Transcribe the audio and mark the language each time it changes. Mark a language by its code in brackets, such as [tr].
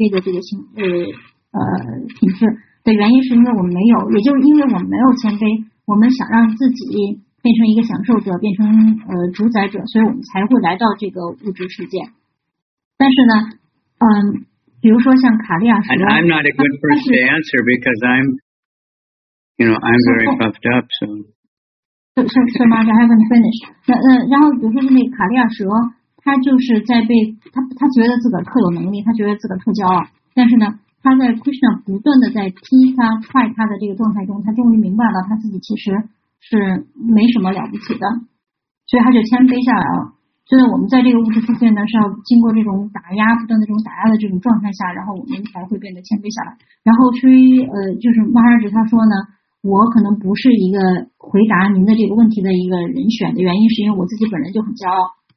[zh] 所以说呢，所以为什么我们就始终都一直在这个重复这个话题，就是我们必须要让自己谦卑下来，我们需要培养这个谦卑的这个品质。的原因是因为我们没有，也就是因为我们没有谦卑，我们想让自己变成一个享受者，变成主宰者，所以我们才会来到这个物质世界。但是呢，比如说像卡利亚什么？ [en] I'm not a good person to answer because I'm, you know, I'm very puffed up. So much. I haven't finished. [zh] 然后比如说那个卡利亚蛇，他就是在被他觉得自个儿特有能力，他觉得自个儿特骄傲，但是呢。他在 Krishna 不断的在踢他踹他的这个状态中，他终于明白了他自己其实是没什么了不起的，所以他就谦卑下来了。所以我们在这个物质世界呢，是要经过这种打压、不断的这种打压的这种状态下，然后我们才会变得谦卑下来。然后，就是 Maharaj 他说呢，我可能不是一个回答您的这个问题的一个人选的原因，是因为我自己本人就很骄傲。